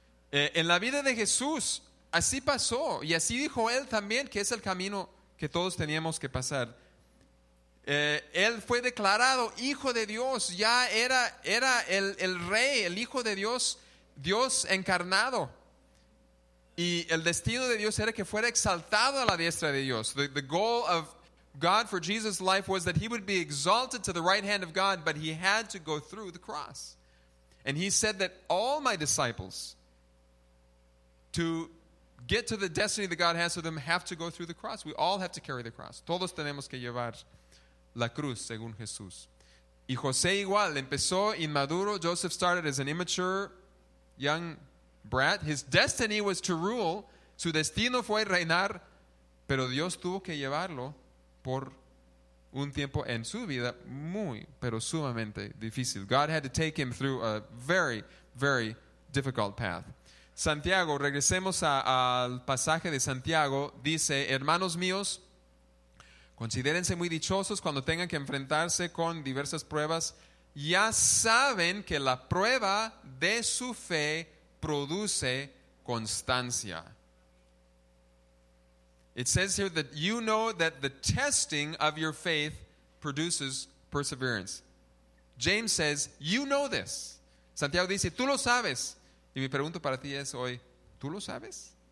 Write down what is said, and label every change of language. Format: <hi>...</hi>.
<es>En la vida de Jesús, así pasó. Y así dijo él también que es el camino que todos teníamos que pasar. Él fue declarado hijo de Dios, ya era el rey, el hijo de Dios, Dios encarnado, y el destino de Dios era que fuera exaltado a la diestra de Dios.</es> <en>The goal of God for Jesus' life was that he would be exalted to the right hand of God, but he had to go through the cross. And he said that all my disciples, to get to the destiny that God has for them, have to go through the cross. We all have to carry the cross.</en> <es>Todos tenemos que llevar la cruz, según Jesús. Y José igual, empezó inmaduro.</es> <en>Joseph started as an immature young brat. His destiny was to rule.</en> <es>Su destino fue reinar. Pero Dios tuvo que llevarlo por un tiempo en su vida muy, pero sumamente difícil.</es> <en>God had to take him through a very, very difficult path.</en> <es>Santiago, regresemos al pasaje de Santiago. Dice, hermanos míos, considérense muy dichosos cuando tengan que enfrentarse con diversas pruebas. Ya saben que la prueba de su fe produce constancia.</es> <en>It says here that you know that the testing of your faith produces perseverance. James says, you know this.</en> <es>Santiago dice, tú lo sabes. Y mi pregunta para ti es hoy, ¿tú lo sabes?</es>